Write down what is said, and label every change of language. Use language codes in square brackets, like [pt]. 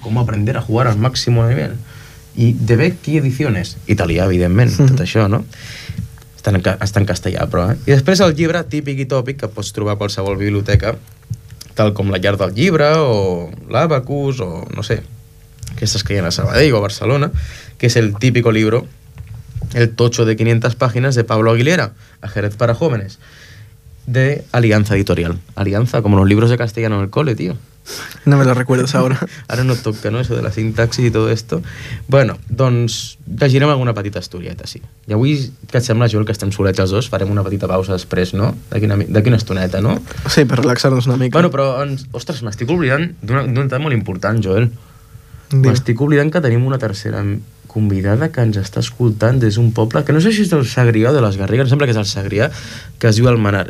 [es] Cómo aprender a jugar al máximo nivel. [ca] I de Becky Ediciones, italià, evidentment, tot això, no? Està en castellà, però, eh? I després el llibre típic i tòpic que pots trobar a qualsevol biblioteca, tal com La Llar del Llibre, o l'Abacus, o no sé, aquestes que hi ha a Sabadell o a Barcelona, que és [es] el típico libro, [ca] El Tocho de 500 Páginas, de Pablo Aguilera, Ajedrez para Jóvenes, de Alianza Editorial. [es] Alianza, como los libros de castellano en el cole, tío. No me lo recuerdas ahora. [ca] Ara no toca, [es] ¿no?, eso de la sintaxis y todo esto. [ca] Bueno, doncs, llegirem alguna petita historieta, sí. I avui, que et sembla, Joel, que estem solets els dos, farem una petita pausa després, no? D'aquí una estoneta, no? Sí, per relaxar-nos una mica. Bueno, però, ostres, m'estic oblidant d'un tema molt important, Joel. Sí. M'estic oblidant que tenim una tercera convidada que ens està escoltant des d'un poble, que no sé si és del Segrià o de les Garrigues, em sembla que és del Segrià, que es diu Almenar.